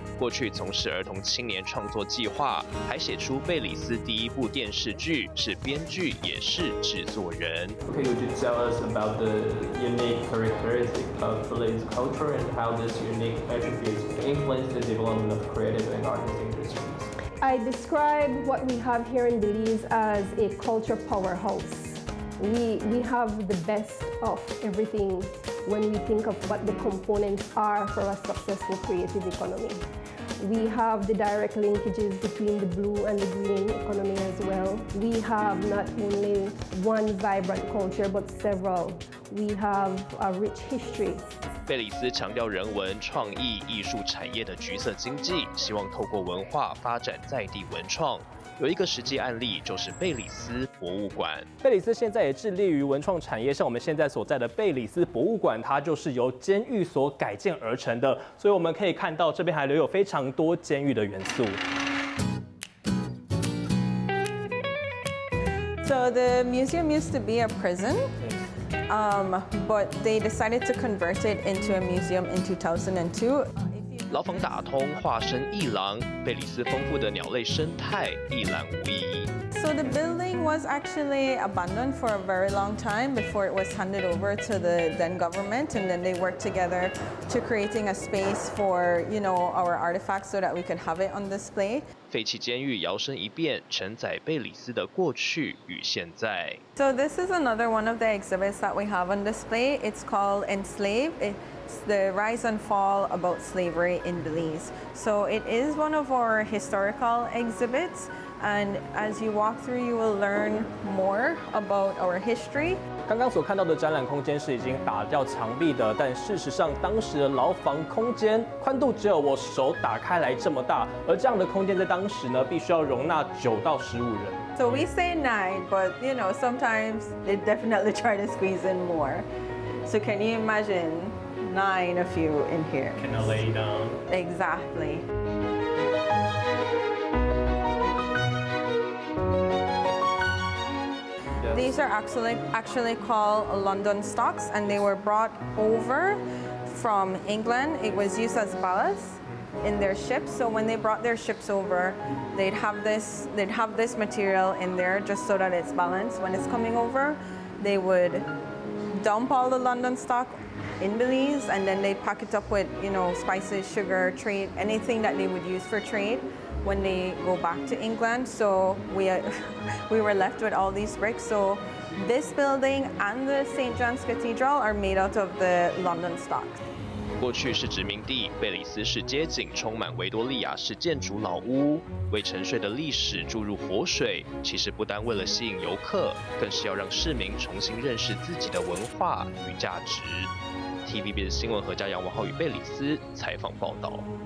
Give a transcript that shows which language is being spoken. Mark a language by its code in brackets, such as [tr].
[zh] 过去从事儿童青年创作计划，还写出贝里斯第一部电视剧，是编剧也是制作人。 [en] Okay, would you tell us about the unique characteristic of Belize culture and how this unique attributes influence the development of creative and artistic industries? I describe what we have here in Belize as a culture powerhouse. We have the best of everything when we think of what the components are for a successful creative economy. We have the direct linkages between the blue and the green economy as well. We have not only one vibrant culture, but several. We have a rich history. [zh] 贝里斯强调人文、创意、艺术产业的橘色经济，希望透过文化发展在地文创。有一个实际案例，就是贝里斯博物馆。贝里斯现在也致力于文创产业，像我们现在所在的贝里斯博物馆，它就是由监狱所改建而成的，所以我们可以看到这边还留有非常多监狱的元素。 [en] So the museum used to be a prison. But they decided to convert it into a museum in 2002. [zh] 牢房打通，化身一廊，贝里斯丰富的鸟类生态一览无遗。 [en] So the building was actually abandoned for a very long time before it was handed over to the then government, and then they worked together to creating a space for, you know, our artifacts so that we could have it on display. [zh] 废弃监狱摇身一变，承载贝里斯的过去与现在。 [en] So this is another one of the exhibits that we have on display. It's called Enslaved. the rise and fall about slavery in Belize. So it is one of our historical exhibits, and as you walk through, you will learn more about our history. [zh] 刚刚所看到的展览空间是已经打掉墙壁的，但事实上当时的牢房空间宽度只有我手打开来这么大，而这样的空间在当时呢，必须要容纳9到15人。 [en] So we say 9, but you know sometimes they definitely try to squeeze in more. So can you imagine 9 of you in here? Can I lay down? Exactly. These are actually called London stocks, and they were brought over from England. It was used as ballast in their ships. So when they brought their ships over, they'd have this material in there just so that it's balanced. When it's coming over, they would dump all the London stock in Belize, and then they'd pack it up with, you know, spices, sugar, trade, anything that they would use for trade. When they go back to England, so we were left with all these bricks. So this building and the St. John's Cathedral are made out of the London stock. [zh] 过去是殖民地，贝里斯是街景，充满维多利亚式建筑老屋，为沉睡的历史注入活水。其实不单为了吸引游客，更是要让市民重新认识自己的文化与价值。 TVBS 新闻何家杨文浩与贝里斯采访报道。